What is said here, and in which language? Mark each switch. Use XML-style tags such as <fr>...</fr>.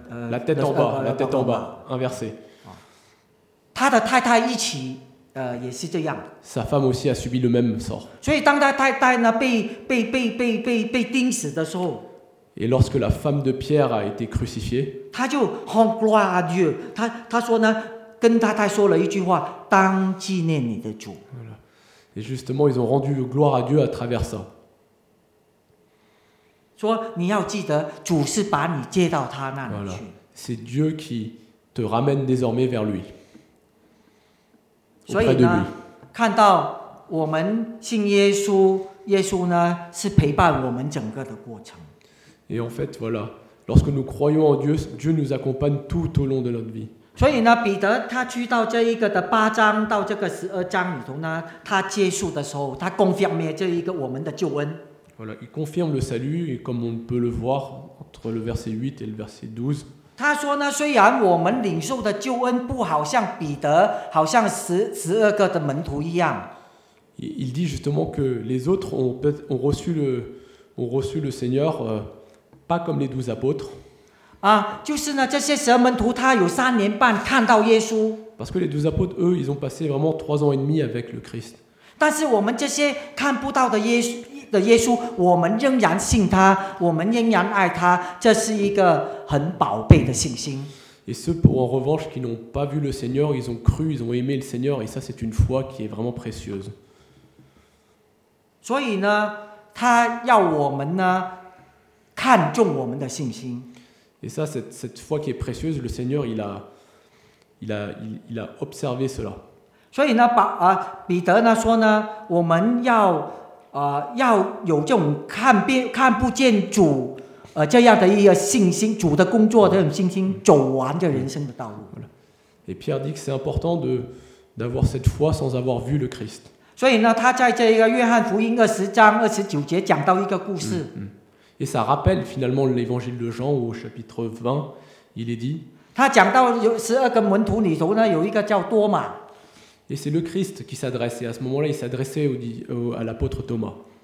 <fr>la tête en bas, la tête en bas, inversée.</fr> <zh>他的太太一起,</zh> <fr>sa femme aussi a subi le même sort.</fr> <zh>所以当他太太呢, 被钉死的时候,</zh> <fr>et lorsque la femme de Pierre a été crucifiée,</fr> <zh>他就很</zh> <fr>gloire à Dieu,</fr> <zh>他说呢, 跟太太说了一句话, 当纪念你的主。</zh> <fr>Et justement, ils ont rendu gloire à Dieu à travers ça.</fr> <zh>说你要记得主是把你接到他那里去,</zh> <fr>voilà. C'est Dieu qui te ramène désormais vers lui, auprès</fr> <zh>所以呢,</zh> <fr>de lui.</fr> <zh>看到我们信耶稣, 耶稣呢, 是陪伴我们整个的过程。</zh> <fr>Et en fait, voilà, lorsque nous croyons en Dieu, Dieu nous accompagne tout au long de notre vie.</fr> <zh>所以呢, 彼得他去到这一个的八章到这个十二章里头呢, 他接受的时候, 他</zh> <fr>confirmait</fr> <zh>这一个我们的救恩。</zh> <fr>Voilà, il confirme le salut, et comme on peut le voir entre le verset 8 et le verset 12.</fr> <zh>他说呢, 虽然我们领受的救恩不好像彼得, 好像十二个的门徒一样,</zh> <fr>il dit justement que les autres ont reçu le Seigneur pas comme les 12 apôtres.</fr> <zh>啊, 就是呢, 这些十二门徒, 他有三年半看到耶稣,</zh> <fr>parce que les 12 apôtres, eux, ils ont passé vraiment 3 ans et demi avec le Christ.</fr> <zh>但是我们这些看不到的耶稣, 的耶稣, 我们仍然信他, 我们仍然爱他, 这是一个很宝贝的信心。</zh> <fr>Et ceux, pour en revanche, qui n'ont pas vu le Seigneur, ils ont cru, ils ont aimé le Seigneur, et ça, c'est une foi qui est vraiment précieuse.</fr> <zh>所以呢, 他要我们呢, 看重我们的信心。</zh> <fr>Et ça, cette foi qui est précieuse, le Seigneur, il a observé cela.</fr> <zh>所以呢, 彼得呢说呢, 我们要 要有这种看不见主这样的一个信心，主的工作的信心，走完这人生的道路。</zh> <fr>Et Pierre dit que c'est important d'avoir cette foi sans avoir vu le Christ.</fr> <zh>所以呢, 他在这个约翰福音20章29节讲到一个故事。</zh> <fr>Et ça rappelle finalement l'évangile de Jean au chapitre 20, il est dit.</fr> <zh>他讲到十二个门徒里头呢, 有一个叫多马。</zh> <fr>Et c'est le Christ qui s'adressait. À ce moment-là, il s'adressait à l'apôtre Thomas.</fr>